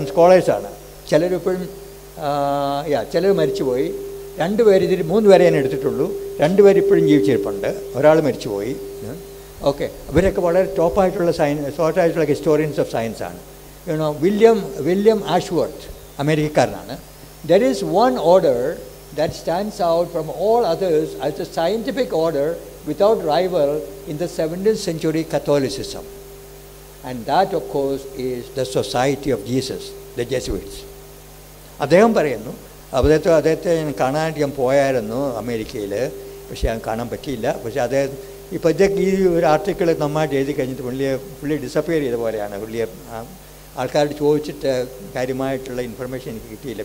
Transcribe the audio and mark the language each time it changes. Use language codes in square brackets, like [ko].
[ml] സ്കോളേഴ്സാണ് ചിലരിപ്പോഴും, യാ ചിലർ മരിച്ചുപോയി, മൂന്ന് പേരെ ഞാൻ എടുത്തിട്ടുള്ളൂ, രണ്ടുപേരിപ്പോഴും ജീവിച്ചിരിപ്പുണ്ട്, ഒരാൾ മരിച്ചുപോയി. ഓക്കെ, ഇവരൊക്കെ വളരെ ടോപ്പായിട്ടുള്ള ഷോർട്ടായിട്ടുള്ള historians of സയൻസാണ്. You know, William ആഷ്വർത്ത് അമേരിക്കക്കാരനാണ്. [en] There is one order that stands out from all others as the scientific order without rival in the 17th century Catholicism. And that, of course, is the Society of Jesus, the Jesuits. [ml] അദ്ദേഹം പറയുന്നു, അദ്ദേഹത്തെ ഞാൻ കാണാനായിട്ട് ഞാൻ പോയായിരുന്നു അമേരിക്കയിൽ, പക്ഷേ ഞാൻ കാണാൻ പറ്റിയില്ല. പക്ഷേ അദ്ദേഹം ഇപ്പോൾ ഇതൊക്കെ ഈ ഒരു ആർട്ടിക്കിൾ നന്നായിട്ട് എഴുതി കഴിഞ്ഞിട്ട് പുള്ളി ഡിസപ്പിയർ ചെയ്ത പോലെയാണ്. പുള്ളിയെ ആൾക്കാരോട് ചോദിച്ചിട്ട് കാര്യമായിട്ടുള്ള ഇൻഫർമേഷൻ എനിക്ക് കിട്ടിയില്ല.